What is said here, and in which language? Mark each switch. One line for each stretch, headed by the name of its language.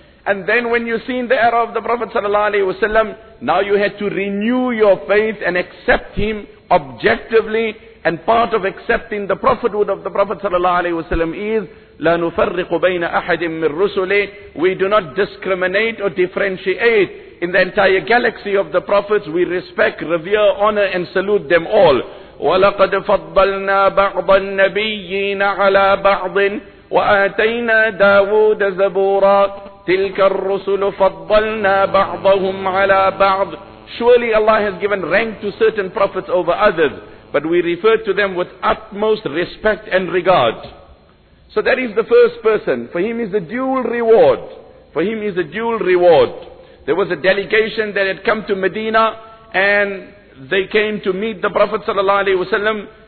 English: And then when you see in the era of the Prophet sallallahu alaihi wasallam, now you had to renew your faith and accept him objectively. And part of accepting the prophethood of the Prophet sallallahu alaihi wasallam is
Arabic: لا نفرق بين أحد من رسله.
English: We do not discriminate or differentiate in the entire galaxy of the prophets. We respect, revere, honor, and salute them all.
Arabic: ولقد فضلنا بعض النبيين على بعض وآتينا داود زبورا تلك الرسل فضلنا بعضهم على بعض.
English: Surely Allah has given rank to certain prophets over others, but we refer to them with utmost respect and regard. So that is the first person. For him is a dual reward. For him is a dual reward. There was a delegation that had come to Medina, and they came to meet the Prophet sallallahu alaihi wasallam.